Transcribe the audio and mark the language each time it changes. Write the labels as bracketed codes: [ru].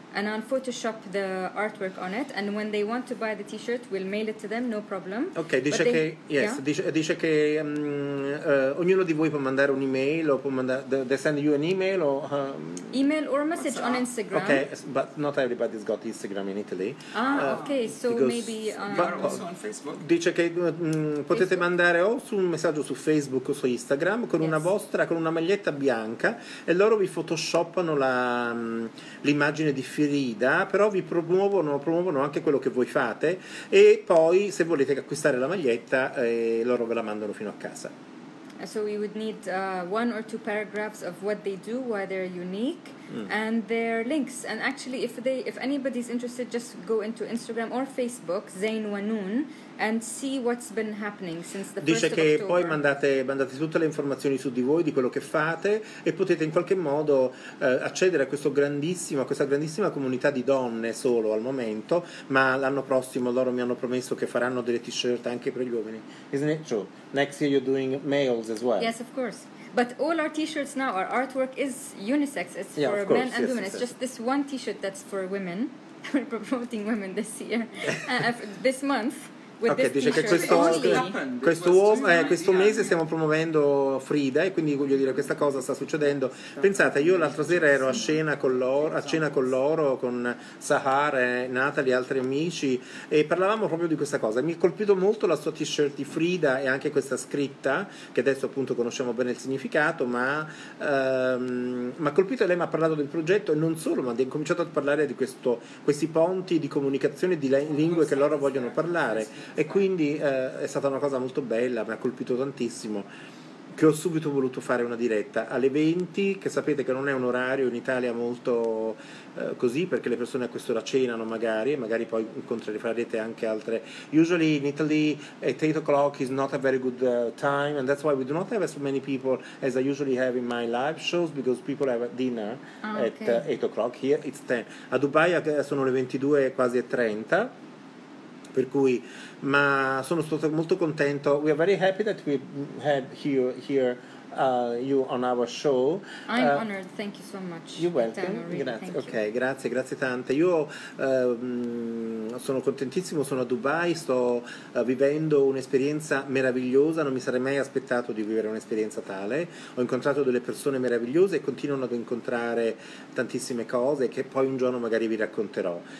[en] And I'll Photoshop the artwork on it, and when they want to buy the t-shirt, we'll mail it to them, no problem. [it] Ok, dice che, dice che ognuno di voi può mandare un'email, o può mandare, [en] they send you an email, or... email or a message on Instagram. Ok, but not everybody's got Instagram in Italy. Maybe... But also on Facebook. [it] Dice che potete Facebook. Mandare o su un messaggio su Facebook o su Instagram, con una vostra, con una maglietta bianca, e loro vi photoshoppano l'immagine di Frida, però vi promuovono anche quello che voi fate e poi se volete acquistare la maglietta loro ve la mandano fino a casa. [en] So we would need one or two paragraphs of what they do, why they're unique, and their links. And actually, if anybody's interested, just go into Instagram or Facebook, Zain Wanoon, and see what's been happening since the 1st of [it] Dice che [en] October. [it] Poi mandate tutte le informazioni su di voi, di quello che fate, e potete in qualche modo accedere a questa grandissima comunità di donne solo al momento, ma l'anno prossimo loro mi hanno promesso che faranno delle t-shirt anche per gli uomini. [en] Isn't it true? Next year you're doing males as well. Yes, of course. But all our t-shirts now, our artwork is unisex. It's yeah, for of course, men and yes, women. Yes, it's yes. Just this one t-shirt that's for women. We're promoting women this year, this month. [it] with okay, this dice t-shirt. Che questo, questo, uomo, questo mese stiamo promuovendo Frida, e quindi voglio dire, questa cosa sta succedendo. Pensate, io l'altra sera ero a cena con loro, con Sahar e Natalie e altri amici, e parlavamo proprio di questa cosa. Mi è colpito molto la sua t-shirt di Frida e anche questa scritta, che adesso appunto conosciamo bene il significato, ma mi ha colpito, lei mi ha parlato del progetto, e non solo, ma ha cominciato a parlare di questo, questi ponti di comunicazione di lingue che loro vogliono parlare, e quindi è stata una cosa molto bella, mi ha colpito tantissimo, che ho subito voluto fare una diretta alle 20, che sapete che non è un orario in Italia molto così, perché le persone a quest'ora cenano magari, e magari poi incontrerete anche altre. [en] Usually in Italy at 8 o'clock is not a very good time, and that's why we do not have as many people as I usually have in my live shows, because people have dinner at 8 o'clock. Here it's 10. [it] A Dubai sono le 22 quasi e 30, per cui, ma sono stato molto contento. [en] We are very happy that we had you here, you on our show. I'm honored, thank you so much. You're welcome. [it] Grazie. [en] Thank you. Ok, [it] grazie, grazie tante. Io sono contentissimo, sono a Dubai, sto vivendo un'esperienza meravigliosa, non mi sarei mai aspettato di vivere un'esperienza tale. Ho incontrato delle persone meravigliose e continuano ad incontrare tantissime cose che poi un giorno magari vi racconterò.